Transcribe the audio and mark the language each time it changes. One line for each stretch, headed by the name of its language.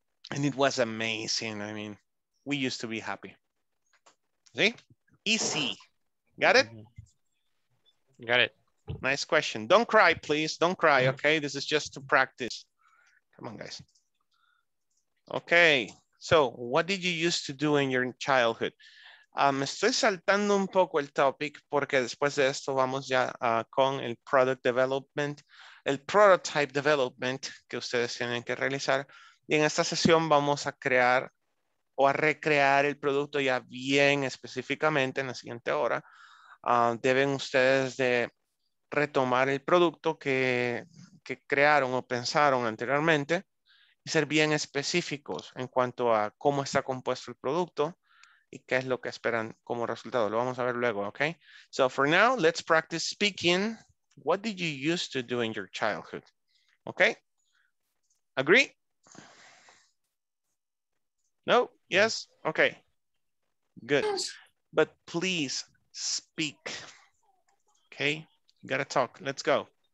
English: And it was amazing. I mean, we used to be happy. See? Easy. Got it? Got it. Nice question. Don't cry, please. Don't cry, okay? This is just to practice. Come on, guys. Okay. So, what did you used to do in your childhood?
Spanish: Me estoy saltando un poco el topic porque después de esto vamos ya con el product development, el prototype development que ustedes tienen que realizar. Y en esta sesión vamos a crear o a recrear el producto ya bien específicamente en la siguiente hora. Deben ustedes de retomar el producto que crearon o pensaron anteriormente y ser bien específicos en cuanto a cómo está compuesto el producto y qué es lo que esperan como resultado. Lo vamos a ver luego,
English: okay? So for now, let's practice speaking. What did you used to do in your childhood? Okay? Agree? No? Yes? Okay. Good. But please speak. Okay? You gotta talk. Let's go.